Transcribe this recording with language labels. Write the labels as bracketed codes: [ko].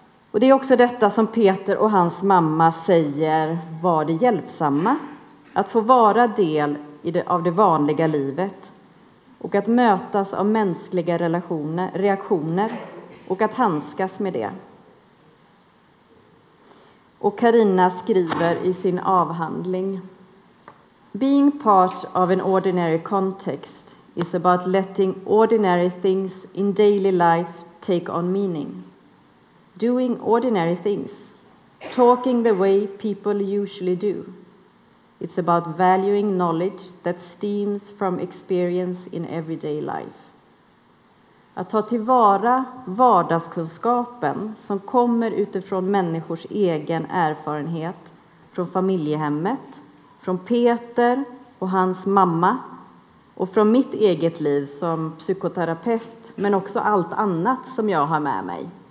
[sv] Och det är också detta som Peter och hans mamma säger var det hjälpsamma. Att få vara del av det vanliga livet. Och att mötas av mänskliga relationer, reaktioner och att handskas med det. Och Carina skriver i sin avhandling: [en] being part of an ordinary context is about letting ordinary things in daily life take on meaning. Doing ordinary things, talking the way people usually do. It's about valuing knowledge that stems from experience in everyday life. [sv] Att ta tillvara vardagskunskapen som kommer utifrån människors egen erfarenhet från familjehemmet, från Peter och hans mamma och från mitt eget liv som psykoterapeut, men också allt annat som jag har med mig.